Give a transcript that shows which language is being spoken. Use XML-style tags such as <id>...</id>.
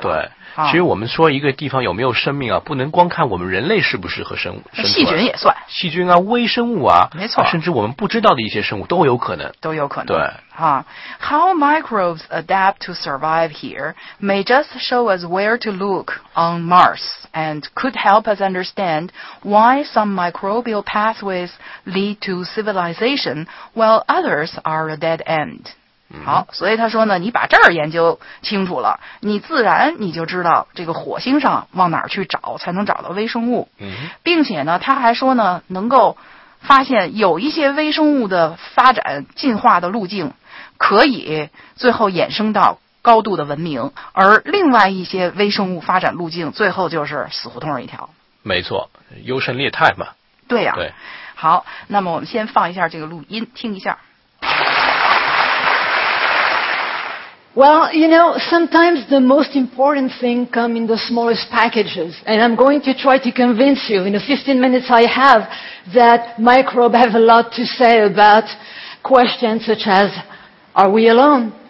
<zh>对，其实我们说一个地方有没有生命啊，不能光看我们人类适不适合生物，细菌也算，细菌啊，微生物啊，没错，甚至我们不知道的一些生物都有可能，都有可能。对</zh> <en>啊 ，How microbes adapt to survive here may just show us where to look on Mars and could help us understand why some microbial pathways lead to civilization while others are a dead end。</en> <zh>好，所以他说呢，你把这儿研究清楚了，你自然你就知道这个火星上往哪儿去找才能找到微生物。并且呢，他还说呢，能够发现有一些微生物的发展进化的路径，可以最后衍生到高度的文明，而另外一些微生物发展路径最后就是死胡同一条。没错，优胜劣汰嘛。对呀。对。好，那么我们先放一下这个录音，听一下。</zh> <en>Well, you know, sometimes the most important thing come in the smallest packages, and I'm going to try to convince you in the 15 minutes I have that microbes have a lot to say about questions such as, are we alone?</en>